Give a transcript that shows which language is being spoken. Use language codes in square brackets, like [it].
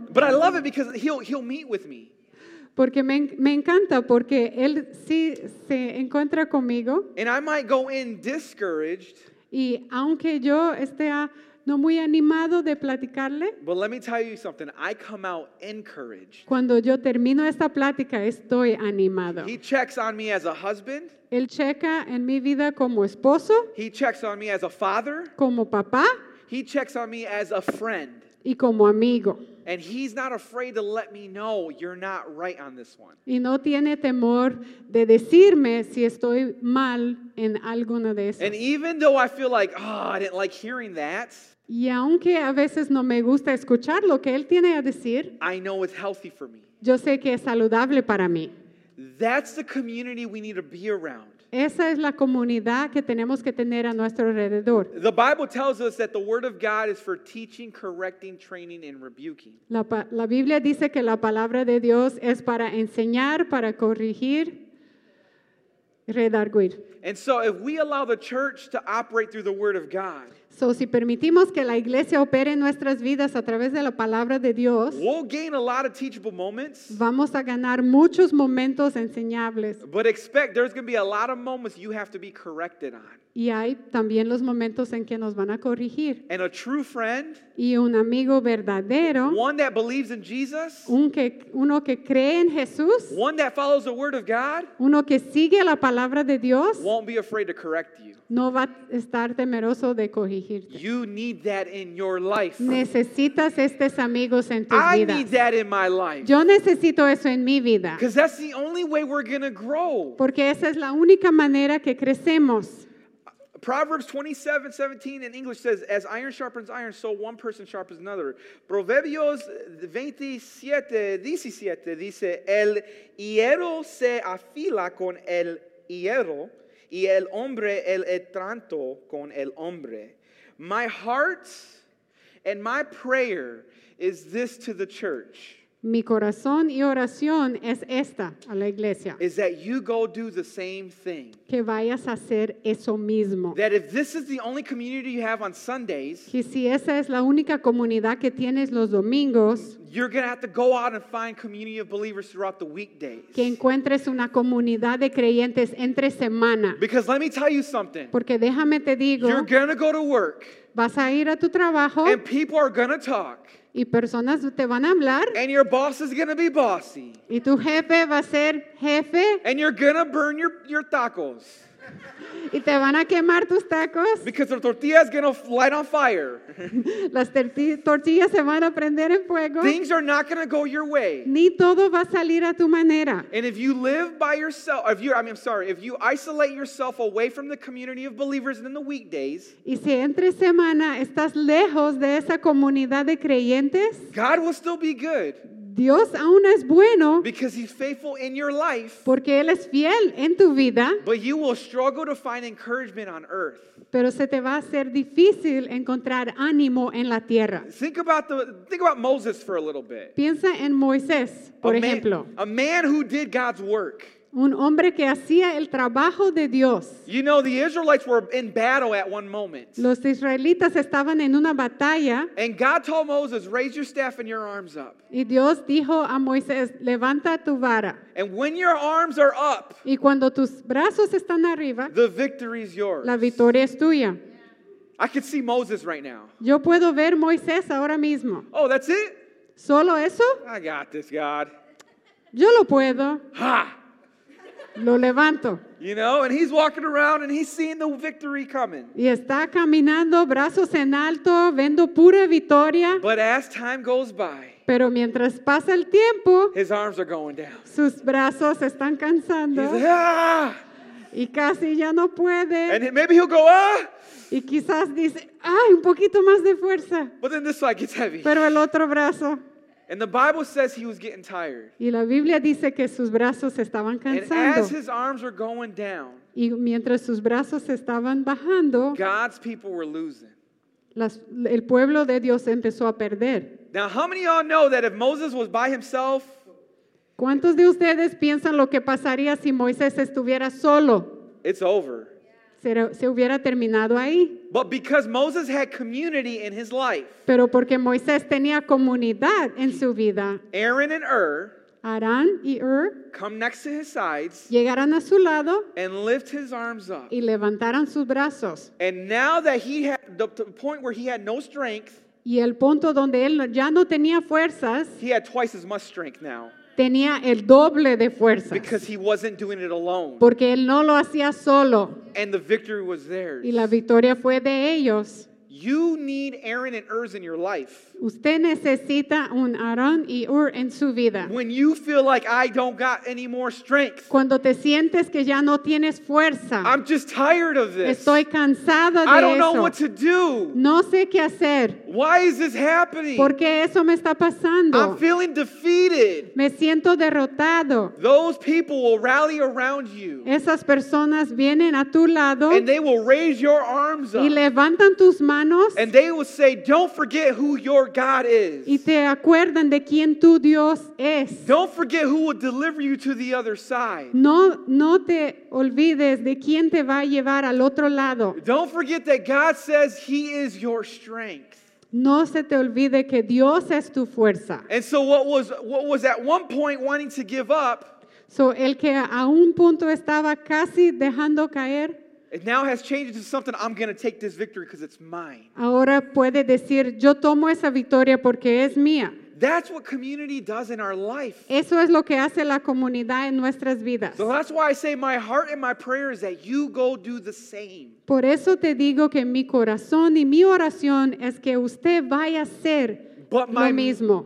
[en] But I love it because he'll meet with me. [es] Porque me encanta porque él sí se encuentra conmigo. [en] And I might go in discouraged. [es] Y aunque yo esté no muy animado de platicarle. [en] But let me tell you something. I come out encouraged. [es] Cuando yo termino esta plática, estoy animado. [en] He checks on me as a husband. [es] Él checa en mi vida como esposo. [en] He checks on me as a father. [es] Como papá. [en] He checks on me as a friend. [es] Y como amigo. [en] And he's not afraid to let me know you're not right on this one. [es] Y no tiene temor de decirme si estoy mal en alguna de esas. [en] And even though I feel like, oh, I didn't like hearing that. [es] Y aunque a veces no me gusta escuchar lo que él tiene a decir. [en] I know it's healthy for me. [es] Yo sé que es saludable para mí. [en] That's the community we need to be around. [es] Esa es la comunidad que tenemos que tener a nuestro alrededor. [en] The Bible tells us that the word of God is for teaching, correcting, training, and rebuking. [es] La Biblia dice que la palabra de Dios es para enseñar, para corregir, redarguir. [en] And so if we allow the church to operate through the word of God, [es] so si permitimos que la iglesia opere en nuestras vidas a través de la palabra de Dios, [en] we'll gain a lot of teachable moments, [es] vamos a ganar muchos momentos enseñables. [en] But expect there's going to be a lot of moments you have to be corrected on. [es] Y hay también los momentos en que nos van a corregir. [en] And a true friend, [es] y un amigo verdadero, [en] one that believes in Jesus, [es] uno que cree en Jesús, [en] one that follows the word of God, [es] uno que sigue la palabra de Dios, [en] won't be afraid to correct you. [es] No va a estar temeroso de corregirte. [en] You need that in your life. [es] Necesitas estos amigos en tu vida. [en] I need that in my life. [es] Yo necesito eso en mi vida. [en] Because that's the only way we're going to grow. [es] Porque esa es la única manera que crecemos. [en] Proverbs 27:17 in English says, as iron sharpens iron, so one person sharpens another. [es] Proverbios 27:17 dice, el hierro se afila con el hierro, y el hombre el entranto con el hombre. [en] My heart and my prayer is this to the church. [es] Mi corazón y oración es esta a la iglesia. [en] Is that you go do the same thing. [es] Que vayas a hacer eso mismo. [en] That if this is the only community you have on Sundays, [es] que si esa es la única comunidad que tienes los domingos, [en] you're going to have to go out and find community of believers throughout the weekdays. [es] Que encuentres una comunidad de creyentes entre semana. [en] Because let me tell you something. [es] Porque déjame te digo. [en] You're going to go to work. [es] Vas a ir a tu trabajo. [en] And people are going to talk. [es] Y personas te van a hablar. [en] And your boss is going to be bossy. [es] Y tu jefe va a ser jefe. [en] And you're going to burn your tacos. [es] Y te van a quemar tus tacos. [en] Because the tortilla is going to light on fire. [es] Las tortillas se van a prender en fuego. [en] Things are not going to go your way. [es] Ni todo va a salir a tu manera. [en] And if you live by yourself, if you isolate yourself away from the community of believers and in the weekdays, [es] y si entre semana estás lejos de esa comunidad de creyentes, [en] God will still be good. [es] Dios aún es bueno. [en] Because he's faithful in your life. [es] Porque él es fiel en tu vida. [en] But you will struggle to find encouragement on earth. [es] Pero se te va a ser difícil encontrar ánimo en la tierra. [en] Think about Moses for a little bit. [es] Piensa en Moisés, por ejemplo. [en] A man who did God's work. [es] Un hombre que hacía el trabajo de Dios. [en] You know, the Israelites were in battle at one moment. [es] Los israelitas estaban en una batalla. [en] And God told Moses, raise your staff and your arms up. [es] Y Dios dijo a Moisés, levanta tu vara. [en] And when your arms are up, [es] y cuando tus brazos están arriba, [en] the victory is yours. [es] La victoria es tuya. [en] I can see Moses right now. [es] Yo puedo ver Moisés ahora mismo. [en] Oh, that's it? [es] Solo eso? [en] I got this, God. [es] Yo lo puedo. Ha! Lo levanto. [en] You know, and he's walking around and he's seeing the victory coming. [es] Y está caminando, brazos en alto, viendo pura victoria. [en] But as time goes by, [es] pero mientras pasa el tiempo, [en] his arms are going down. [es] Sus brazos están cansando. [en] He's like, ah! [es] Y casi ya no puede. [en] And maybe he'll go, ah! [es] Y quizás dice, ay, un poquito más de fuerza. [en] But then this side gets heavy. [es] Pero el otro brazo. [en] And the Bible says he was getting tired. [es] Y la Biblia dice que sus brazos estaban cansando. [en] And as his arms were going down, [es] y mientras sus brazos estaban bajando, [en] God's people were losing. [es] El pueblo de Dios empezó a perder. [en] Now, how many of y'all know that if Moses was by himself, [es] ¿cuántos de ustedes piensan lo que pasaría si Moisés estuviera solo? [en] It's over. [es] Se hubiera terminado ahí. [en] But because Moses had community in his life. [es] Pero porque Moisés tenía comunidad en su vida. [en] Aaron and Ur. [es] Aarón y Ur. [en] Come next to his sides. [es] Llegaron a su lado. [en] And lift his arms up. [es] Y levantaron sus brazos. [en] And now that he had the point where he had no strength. [es] Y el punto donde él ya no tenía fuerzas. [en] He had twice as much strength now. [es] Tenía el doble de fuerzas. [en] Because he wasn't doing it alone. [es] Porque él no lo hacía solo. [en] And the victory was theirs. [es] Y la victoria fue de ellos. [en] You need Aaron and Ur in your life. [es] Usted necesita un Aarón y Ur en su vida. [en] When you feel like I don't got any more strength. [es] Cuando te sientes que ya no tienes fuerza. [en] I'm just tired of this. [es] Estoy cansada de eso. [en] I don't know what to do. [es] No sé qué hacer. [en] Why is this happening? [es] ¿Por qué eso me está pasando? [en] I'm feeling defeated. [es] Me siento derrotado. [en] Those people will rally around you. [es] Esas personas vienen a tu lado. [en] And they will raise your arms up. [es] Y levantan tus manos. [en] And they will say, don't forget who your God is. [es] Y te acuerdan de quién tu Dios es. [en] Don't forget who will deliver you to the other side. [es] No te olvides de quién te va a llevar al otro lado. [en] Don't forget that God says he is your strength. [es] No se te olvide que Dios es tu fuerza. [en] And so what was at one point wanting to give up. [es] So el que a un punto estaba casi dejando caer. [en] It now has changed into something, I'm going to take this victory because it's mine. [es] Ahora puede decir, yo tomo esa victoria porque es mía. [en] That's what community does in our life. [es] Eso es lo que hace la comunidad en nuestras vidas. [en] So that's why I say my heart and my prayer is that you go do the same. [es] Por eso te digo que mi corazón y mi oración es que usted vaya a hacer lo mismo.